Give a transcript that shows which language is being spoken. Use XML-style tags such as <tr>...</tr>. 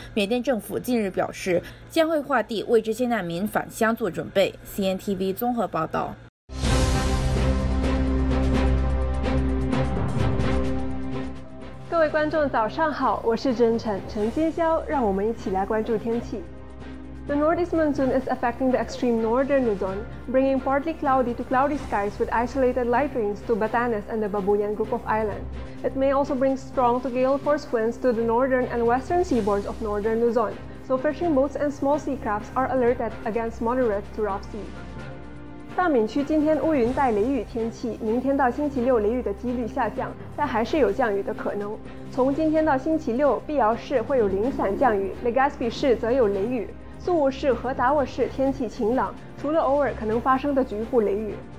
<zh>缅甸政府近日表示，将会划地为这些难民返乡做准备。 CNTV 综合报道。各位观众早上好，我是真诚陈金霄，让我们一起来关注天气。</zh> <en>The northeast monsoon is affecting the extreme northern Luzon, bringing partly cloudy to cloudy skies with isolated light rains to Batanes and the Babuyan group of islands. It may also bring strong to gale force winds to the northern and western seaboards of northern Luzon. So fishing boats and small sea crafts are alerted against moderate to rough sea.</en> <zh>大闽区今天乌云带雷雨天气，明天到星期六雷雨的几率下降，但还是有降雨的可能。从今天到星期六，碧瑶市会有零散降雨， Legazpi 市则有雷雨，宿务市和达沃市天气晴朗，除了偶尔可能发生的局部雷雨。</zh>